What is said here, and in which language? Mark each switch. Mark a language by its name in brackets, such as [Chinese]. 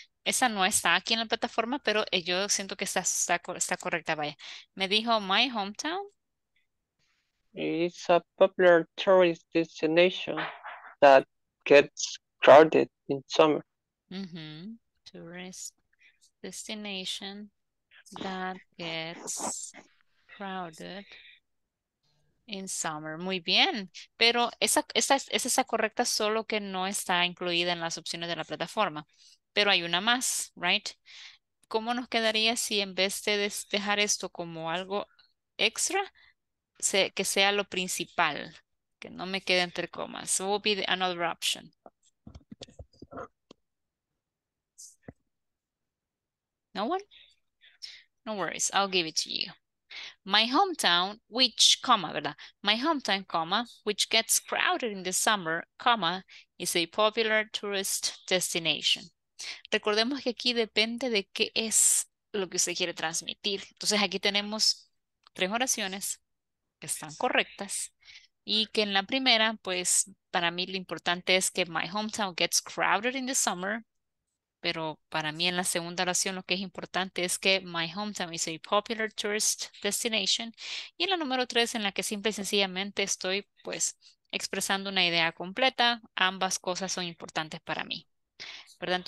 [Spanish] Esa no está aquí en la plataforma, pero yo siento que está correcta. Vaya. Me dijo my hometown. [English] It's a popular tourist destination that gets crowded in summer. Mm-hmm. Tourist destination that gets crowded in summer. [Spanish] Muy bien. Pero esa correcta, solo que no está incluida en las opciones de la plataforma. Pero hay una más, right? ¿Cómo nos quedaría si en vez de dejar esto como algo extra, que sea lo principal, que no me quede entre comas? [English] It will be another option. No one? No worries. I'll give it to you. My hometown, which, comma, ¿verdad? My hometown, comma, which gets crowded in the summer, comma, is a popular tourist destination. [Spanish] Recordemos que aquí depende de qué es lo que usted quiere transmitir. Entonces aquí tenemos tres oraciones que están correctas y que en la primera, pues para mí lo importante es que [English] my hometown gets crowded in the summer, [Spanish] pero para mí en la segunda oración lo que es importante es que [English] my hometown is a popular tourist destination, [Spanish] y en la número tres, en la que simple y sencillamente estoy pues expresando una idea completa, ambas cosas son importantes para mí, ¿verdad?